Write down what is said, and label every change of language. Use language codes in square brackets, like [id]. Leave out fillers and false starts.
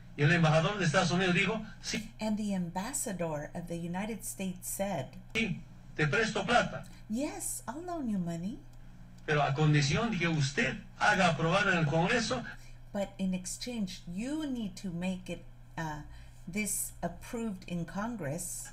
[es] Y el embajador de Estados Unidos dijo, sí. [en] And the ambassador of the United States said, [es] sí, te presto plata. [en] Yes, I'll loan you money. [es] Pero a condición de que usted haga aprobar en el Congreso. [en] But in exchange, you need to make it this approved in Congress.